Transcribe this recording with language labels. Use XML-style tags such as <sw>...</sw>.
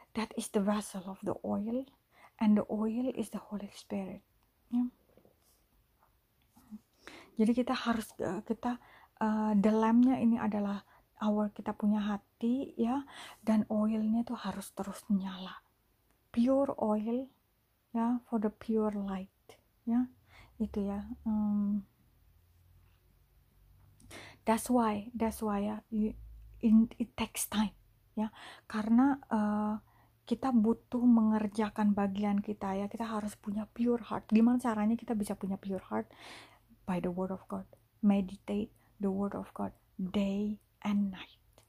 <en>That is the vessel of the oil, and the oil is the Holy Spirit ya.</en> <id>Jadi kita harus kita the lamp-nya ini adalah our, kita punya hati ya, dan oil-nya tuh harus terus nyala.</id> <en>Pure oil ya, for the pure light ya. Itu ya. That's why ya, it takes time ya.</en> <id>Karena kita butuh mengerjakan bagian kita ya. Kita harus punya</id> <en>pure heart.</en> <id>Gimana caranya kita bisa punya</id> <en>pure heart? By the word of God. Meditate the word of God day and night.</en>